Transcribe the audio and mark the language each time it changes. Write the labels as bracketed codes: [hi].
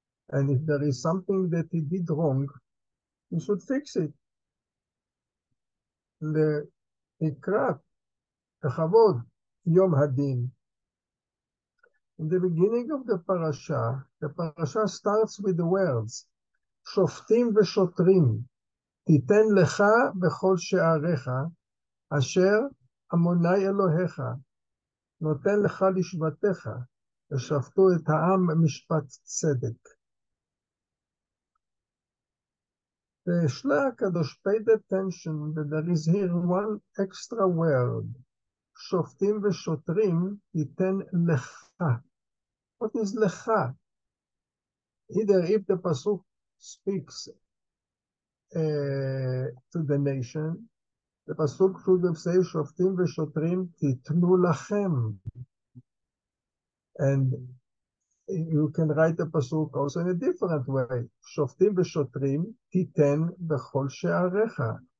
[en] And if there is something that he did wrong, he should fix it. [he] לקראת, לכבוד, יום הדין. [en] In the beginning of the parasha starts with the words, שופטים ושוטרים. [he] תיתן לך בכל שעריך, אשר אמוני אלוהיך, נותן לך לשבטיך, ושפטו את העם משפט צדק. [en] ושלח הקדוש paid attention that there is here one extra word, [he] שופטים ושוטרים תיתן לך. [en] What is לך? Either if the פסוק speaks to the nation, the pasuk should have said shoftim v'shotrim titnu lachem, and you can write the pasuk also in a different way, shoftim v'shotrim titen b'chol she'arecha.